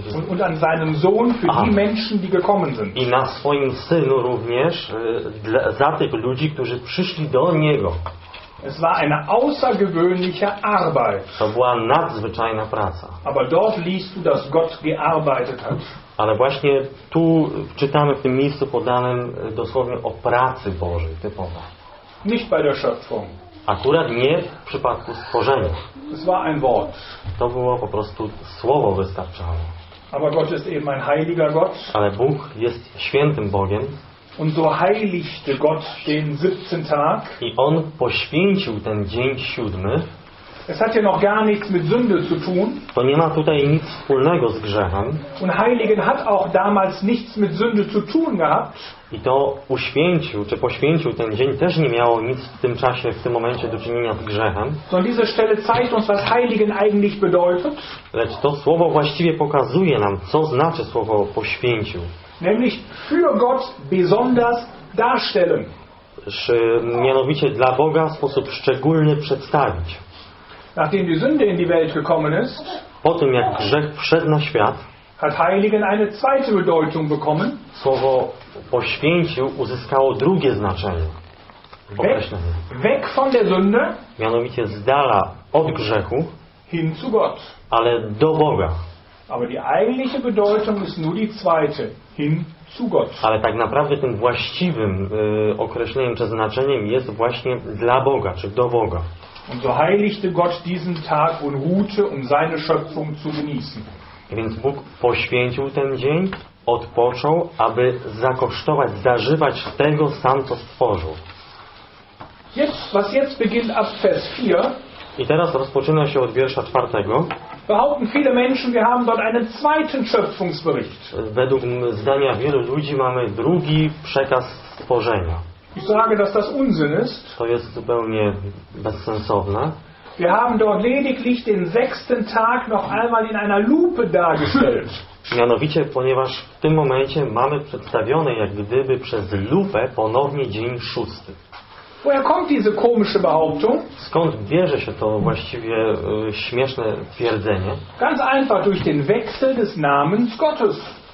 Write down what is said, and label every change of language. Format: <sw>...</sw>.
<de>und an seinem Sohn für die Menschen, die gekommen sind.</de> <pl>I na swoim synu również za tych ludzi, którzy przyszli do niego.</pl> <de>Es war eine außergewöhnliche Arbeit.</de> <pl>To była nadzwyczajna praca.</pl> <de>Aber dort liest du, dass Gott gearbeitet hat.</de> <pl>Ale właśnie tu czytamy w tym miejscu podanym dosłownie o pracy Bożej, typowo.</pl> <de>Nicht bei der Schöpfung.</de> <pl>Akurat nie w przypadku stworzenia.</pl> <de>Es war ein Wort.</de> <pl>To było po prostu słowo wystarczało.</pl> <de>Aber Gott ist eben ein heiliger Gott.</de> <pl>Ale Bóg jest świętym Bogiem.</pl> <de>Und so heiligte Gott den siebten Tag.</de> <pl>I On poświęcił ten dzień siódmy.</pl> <de>Es hat hier noch gar nichts mit Sünde zu tun.</de> <pl>To nie ma tutaj nic wspólnego z grzechem.</pl> <de>Und Heiligen hat auch damals nichts mit Sünde zu tun gehabt.</de> <pl>I to uświęcił, czy poświęcił ten dzień, też nie miało nic w tym czasie, w tym momencie do czynienia z grzechem.</pl> <de>So an dieser Stelle zeigt uns, was Heiligen eigentlich bedeutet.</de> <pl>Lecz to słowo właściwie pokazuje nam, co znaczy słowo poświęcił.</pl> <de>Nämlich für Gott besonders darstellen.</de> <pl>Czy mianowicie dla Boga w sposób szczególny przedstawić.</pl> <de>Nachdem die Sünde in die Welt gekommen ist,</de> <pl>po tym jak grzech wszedł na świat,</pl> <de>hat Heiligen eine zweite Bedeutung bekommen.</de> <pl>Słowo poświęcił uzyskało drugie znaczenie.</pl> <de>Weg von der Sünde,</de> <pl>mianowicie z dala od grzechu,</pl> <de>hin zu Gott.</de> <pl>Ale do Boga.</pl> <de>Aber die eigentliche Bedeutung ist nur die zweite, hin zu Gott.</de> <pl>Ale tak naprawdę tym właściwym określeniem czy znaczeniem jest właśnie dla Boga, czy do Boga.</pl> <de>Und so heiligte Gott diesen Tag und ruhte, um seine Schöpfung zu genießen.</de> <pl>Więc Bóg poświęcił ten dzień, odpoczął, aby zakosztować, zażywać tego sam, co stworzył.</pl> <de>Jetzt, was jetzt beginnt ab Vers 4.</de> <pl>I teraz rozpoczyna się od wiersza 4.</pl> <de>Behaupten viele Menschen, wir haben dort einen zweiten Schöpfungsbericht.</de> <pl>Według zdania wielu ludzi mamy drugi przekaz stworzenia.</pl> <de>Ich sage, dass das Unsinn ist.</de> <pl>To jest zupełnie bezsensowne.</pl> <de>Wir haben dort lediglich den sechsten Tag noch einmal in einer Lupe dargestellt.</de> <pl>Mianowicie, ponieważ w tym momencie mamy przedstawione, jak gdyby przez lupę, ponownie dzień szósty.</pl> <de>Woher kommt diese komische Behauptung?</de> <pl>Skąd bierze się to właściwie śmieszne twierdzenie?</pl> <de>Ganz einfach durch den Wechsel des Namens Gottes.</de>